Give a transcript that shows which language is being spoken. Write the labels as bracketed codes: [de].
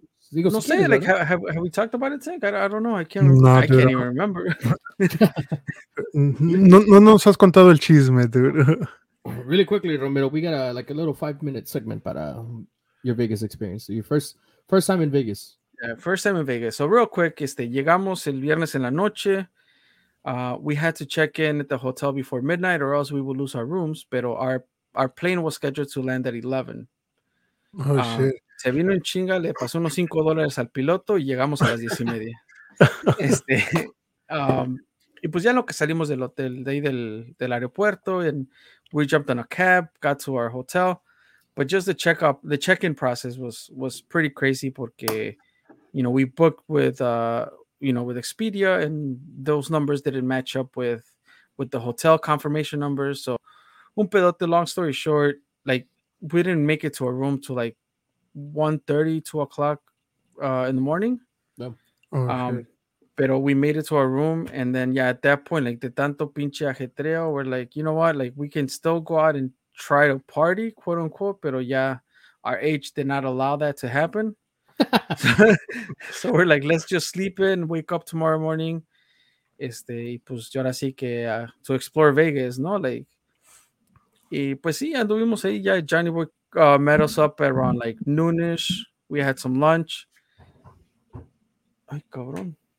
[es] Digo, no sé, quieres, [en] like, have we talked about it, Tank? I don't know. I can't even remember. [es] no nos has contado el chisme, [en] dude. Really quickly, Romero, we got a little 5-minute segment [es] para [en] your Vegas experience. So your first time in Vegas. Yeah, first time in Vegas. So real quick, [es] llegamos el viernes en la noche. [en] We had to check in at the hotel before midnight or else we would lose our rooms. [es] Pero [en] our plane was scheduled to land at 11. Oh, shit. [es] Se vino en chinga, le pasó unos $5 al piloto y llegamos a las 10:30. Y pues ya lo que salimos del hotel, de ahí del aeropuerto, [en] and we jumped on a cab, got to our hotel. But just the check-in process was pretty crazy [es] porque, [en] you know, we booked with, you know, with Expedia, and those numbers didn't match up with the hotel confirmation numbers. So, [es] un pedote, [en] long story short, like, we didn't make it to our room to like, 1:30, 2 o'clock in the morning. Yep. Oh, [es] pero [en] we made it to our room, and then yeah, at that point, like the [es] tanto pinche ajetreo, [en] we're like, you know what, like we can still go out and try to party, quote unquote, [es] pero [en] yeah, our age did not allow that to happen. So we're like, let's just sleep in, wake up tomorrow morning. [es] Pues yo ahora sí que [en] to explore Vegas, [es] no, [en] like, [es] y pues sí, anduvimos ahí ya. [en] Johnny Boy met us up around like noonish. We had some lunch. [es] Ay, cabrón.